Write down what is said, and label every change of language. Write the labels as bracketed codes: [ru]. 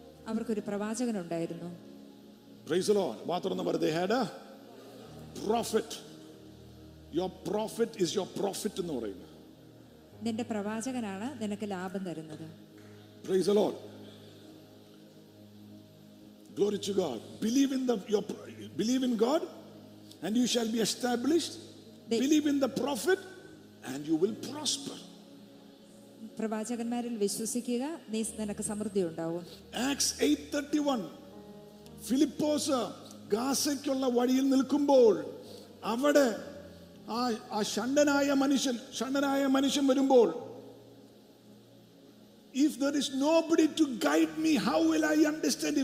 [ml] അവർക്ക് ഒരു പ്രവാചകൻ ഉണ്ടായിരുന്നു. [en] Praise the Lord. [ml] വാത്രന്ന് പറ, [en] they had a prophet. Your prophet is your prophet [ml] എന്ന് പറയുന്നു. നിന്റെ പ്രവാചകനാണ് നിനക്ക് ലാഭം തരുന്നത്. [en] Praise the Lord. Glory to God. Believe in God and you shall be established. Believe in the prophet and you will prosper. [ml] പ്രവാചകന്മാരിൽ വിശ്വസിക്കുക, നിനക്ക് സമൃദ്ധി ഉണ്ടാവും. [en] Acts 8:31. [ml] ഫിലിപ്പോസ് ഗാസയ്ക്കുള്ള വഴിയിൽ നിൽക്കുമ്പോൾ അവിടെ ആ ഷണ്ഡനായ മനുഷ്യൻ വരുമ്പോൾ, [en] If there is nobody to guide me, how will I understand?